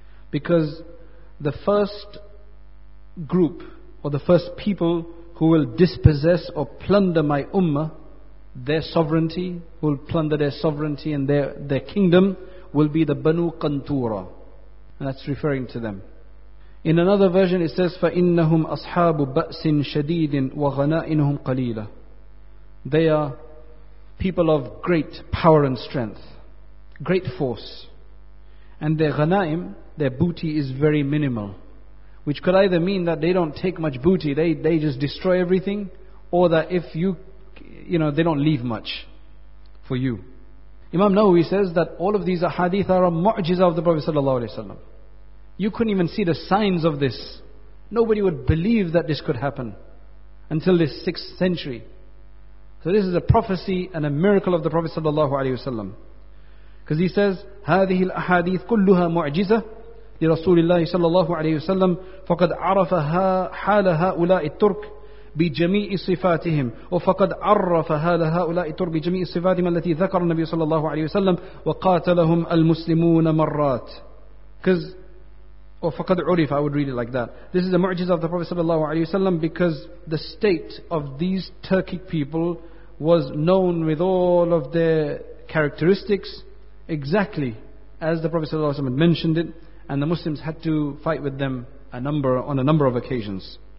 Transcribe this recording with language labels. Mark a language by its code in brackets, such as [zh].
[en] Because the first group, or the first people who will dispossess or plunder my ummah, their sovereignty, will plunder their sovereignty and their kingdom, will be the Banu Qanturah. And that's referring to them. In another version it says, [ar] فَإِنَّهُمْ أَصْحَابُ بَأْسٍ شَدِيدٍ وَغَنَائِنُهُمْ قَلِيلًا. [en] They are people of great power and strength, great force. And their ghanaim, their booty, is very minimal. Which could either mean that they don't take much booty, they just destroy everything, or that if you know, they don't leave much for you. Imam Nawawi says that all of these ahadith are a mu'jiza of the Prophet ﷺ. You couldn't even see the signs of this. Nobody would believe that this could happen until this 6th century. So this is a prophecy and a miracle of the Prophet ﷺ. Because he says, [ar] هذه الأحاديث كلها معجزة لرسول الله صلى الله عليه وسلم فقد عرف حال هؤلاء الترك بجميع صفاتهم وفقد عرف حال هؤلاء الترك بجميع صفاتهم التي ذكر النبي صلى الله عليه وسلم وقاتلهم المسلمون مرات. [en] Because [ar] وفقد عرف, [en] I would read it like that. This is a معجزة of the Prophet [ar] صلى الله عليه وسلم, [en] because the state of these Turkic people was known with all of their characteristics, exactly as the Prophet ﷺ had mentioned it, and the Muslims had to fight with them on a number of occasions.